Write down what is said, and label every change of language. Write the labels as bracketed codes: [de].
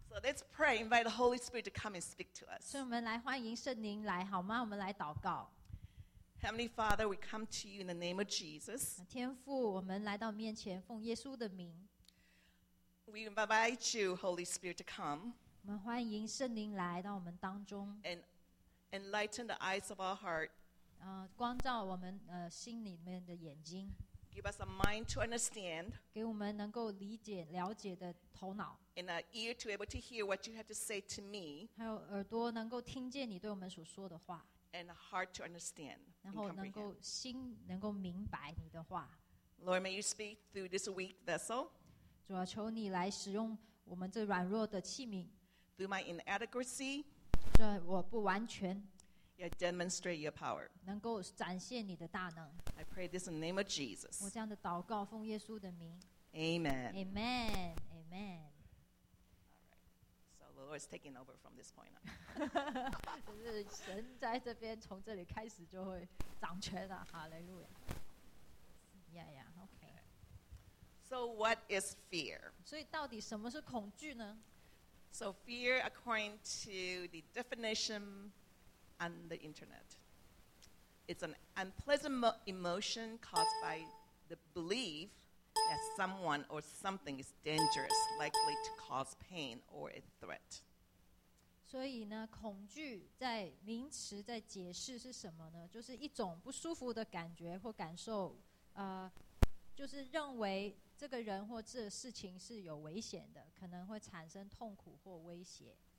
[en] So let's pray, invite the Holy Spirit to come and speak to us. [zh] 所以我们来欢迎圣灵来好吗？我们来祷告。 [en] Heavenly Father, we come to you in the name of Jesus. [zh] 天父，我们来到面前，奉耶稣的名。 [en] We invite you, Holy Spirit, to come. [zh] 我们欢迎圣灵来到我们当中。 [en] Enlighten the eyes of our heart. [zh] 光照我们心里面的眼睛。 [en] Give us a mind to understand. [zh] 给我们能够理解了解的头脑。 [en] And an ear to be able to hear what you have to say to me. [zh] 还有耳朵能够听见你对我们所说的话。 [en] And a heart to understand. [zh] 然后能够心能够明白你的话。 [en] Lord, may you speak through this weak vessel. [zh] 主啊，求你来使用我们这软弱的器皿。 [en] Through my inadequacy. [zh] 我不完全 [en] yeah, demonstrate your power. [zh] 能够展现你的大能 [en] I pray this in the name of Jesus. [zh] 我这样的祷告奉耶稣的名 [en] Amen. Amen. Amen. All right. So the Lord is taking over from this point on. [zh] 就是神在这边从这里开始就会掌权了 [en] Hallelujah. Yeah, yeah, okay. So what is fear? [zh] 所以到底什么是恐惧呢？ [en] So fear, according to the definition on the internet, it's an unpleasant emotion caused by the belief that someone or something is dangerous, likely to cause pain or a threat. [zh] 所以呢，恐惧在名词在解释是什么呢？就是一种不舒服的感觉或感受，就是认为这个人或这事情是有危险的，可能会产生痛苦或威胁。